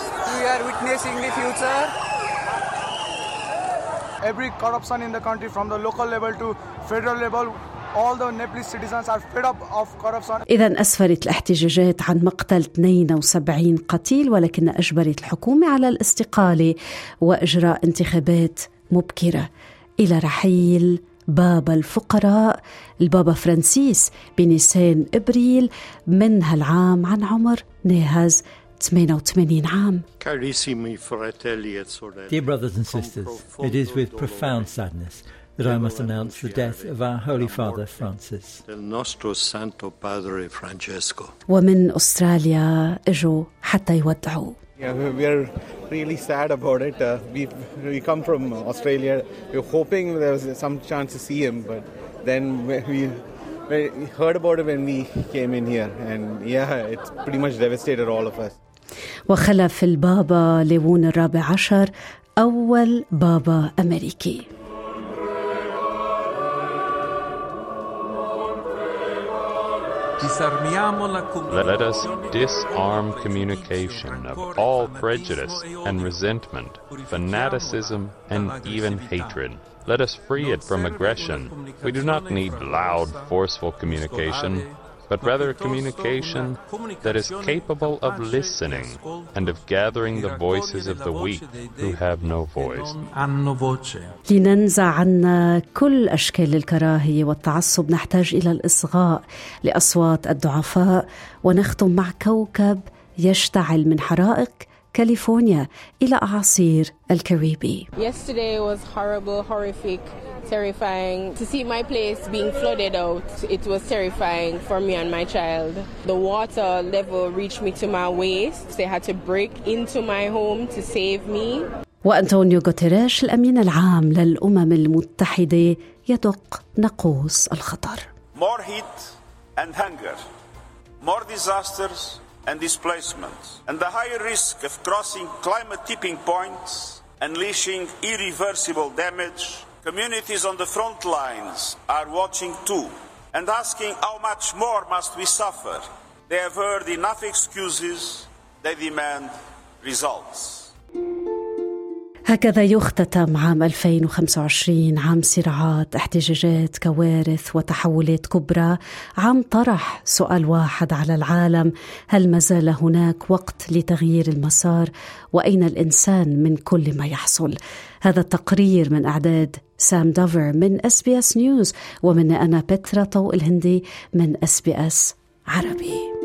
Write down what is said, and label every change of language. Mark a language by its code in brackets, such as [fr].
[en] We are witnessing the future. Every corruption in the country from the local level to federal level. All the Nepalese citizens are fed up of corruption. [ar] إذن أسفرت الاحتجاجات عن مقتل 72 قتيل، ولكن أجبرت الحكومة على الاستقالة وإجراء انتخابات مبكرة إلى رحيل بابا الفقراء البابا فرانسيس بنيسان إبريل من هالعام عن عمر ناهز 88 عام. [it] Carissimi fratelli e sorelle. [en] Dear brothers and sisters, it is with profound sadness that I must announce the death of our Holy Father Francis. [it] Del nostro Santo Padre Francesco. [ar] ومن أستراليا إجوا حتى يودعوا. [en] Yeah, we are really sad about it. We come from Australia. We were hoping there was some chance to see him, but then we heard about it when we came in here, and yeah, it's pretty much devastated all of us. [ar] وخلف البابا ليون الرابع عشر أول بابا أمريكي. Do [en] Let us disarm communication of all prejudice and resentment, fanaticism, and even hatred. Let us free it from aggression. We do not need loud, forceful communication, but rather communication that is capable of listening and of gathering the voices of the weak who have no voice. [ar] لننزع عنا كل أشكال الكراهية والتعصب نحتاج إلى الإصغاء لأصوات الضعفاء ونختم مع كوكب يشتعل من حرائق كاليفورنيا إلى أعاصير الكاريبي. [en] Yesterday was horrible, horrific, terrifying. To see my place being flooded out, it was terrifying for me and my child. The water level reached me to my waist. They had to break into my home to save me. وأنطونيو Guterres الأمين العام للأمم المتحدة يدق ناقوس الخطر. More heat and hunger. More disasters and displacement, and the higher risk of crossing climate tipping points, unleashing irreversible damage. Communities on the front lines are watching too, and asking how much more must we suffer. They have heard enough excuses, they demand results. [ar] هكذا يختتم عام 2025، عام صراعات، احتجاجات، كوارث وتحولات كبرى، عام طرح سؤال واحد على العالم: هل ما زال هناك وقت لتغيير المسار؟ وأين الإنسان من كل ما يحصل؟ هذا التقرير من إعداد سام دوفر من SBS نيوز، ومن أنا بترا طوق الهندي من SBS عربي.